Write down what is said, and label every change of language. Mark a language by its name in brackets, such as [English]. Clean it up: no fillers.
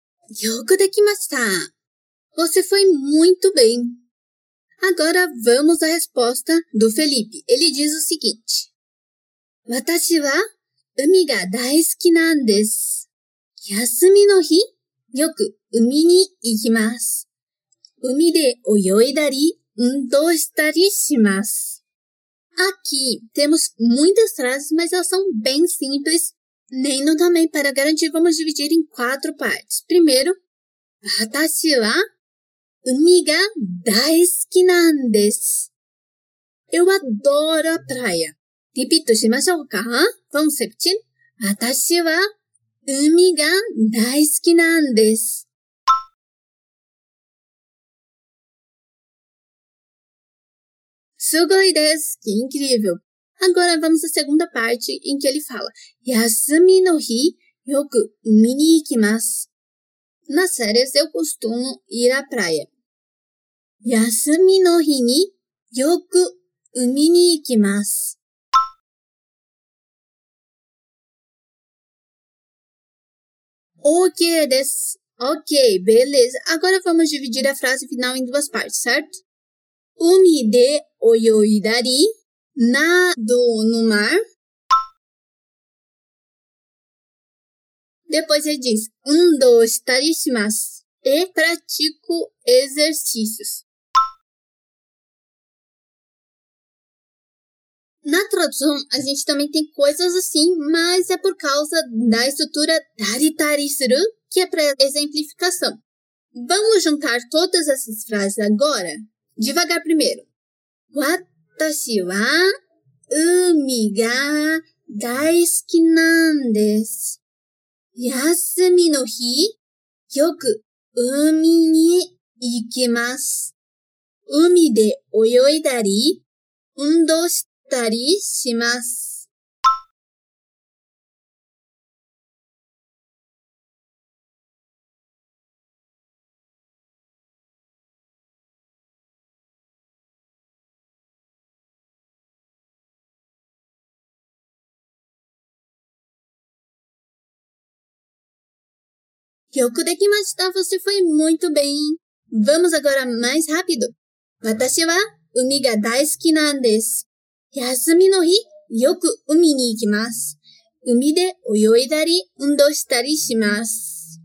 [Portuguese] Yoku dekimashita. Você foi muito bem. Agora vamos à resposta do Felipe. Ele diz o seguinte. [Japanese] 私は海が大好きなんです。休みの日、よく海に行きます。海で泳いだり、運動したりします。 [Portuguese] Aqui temos muitas frases, mas elas são bem simples. Nem no também, para garantir, vamos dividir em quatro partes. [Japanese] Primeiro, 私は海が大好きなんです。 [Portuguese] Eu adoro a praia. Repito, しましょうか? Vamos repetir? [Japanese] 私は海が大好きなんです。すごいです。 Que incrível. [Portuguese] Agora vamos à segunda parte em que ele fala 休みの日、よく海に行きます。 Nas férias, eu costumo ir à praia. [Japanese] 休みの日に、よく海に行きます。 [Portuguese] OK です。 OK, beleza. Agora vamos dividir a frase final em duas partes, certo? [Japanese] 海で泳いだり、などの mar. [Portuguese] Depois ele diz, 運動したりします。 E pratico exercícios. Na tradução, a gente também tem coisas assim, mas é por causa da estrutura dari tari suru, que é para exemplificação. Vamos juntar todas essas frases agora? Devagar primeiro. [Japanese] 私は海が大好きなんです。休みの日、よく海に行きます。海で泳いだり、運動したりします。 [Portuguese] よくできました。 Você foi muito bem. Vamos agora mais rápido. [Japanese] 私は海が大好きなんです。休みの日、よく海に行きます。海で泳いだり、運動したりします。